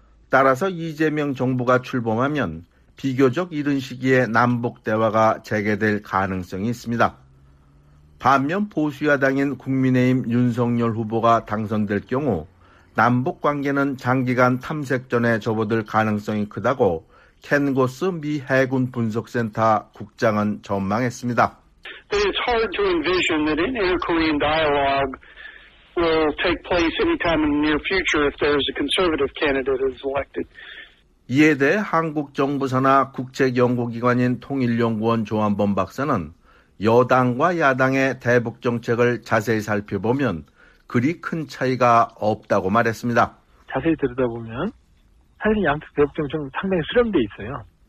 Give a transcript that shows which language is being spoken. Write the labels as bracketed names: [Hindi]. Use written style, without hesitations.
[Korean] 따라서 이재명 정부가 출범하면 비교적 이른 시기에 남북 대화가 재개될 가능성이 있습니다. 반면 보수야당인 국민의힘 윤석열 후보가 당선될 경우 남북관계는 장기간 탐색전에 접어들 가능성이 크다고 켄고스 미 해군 분석센터 국장은 전망했습니다. [English] that it's hard to envision that an inter-Korean dialogue will take place anytime in the near future if there is a conservative candidate is elected. [Korean] 이에 대해 한국 정부 산하 국책 연구 기관인 통일연구원 조한범 박사는 여당과 야당의 대북 정책을 자세히 살펴보면 그리 큰 차이가 없다고 말했습니다. 자세히 들여다보면 사실 양측 대북 정책은 상당히 수렴돼 있어요.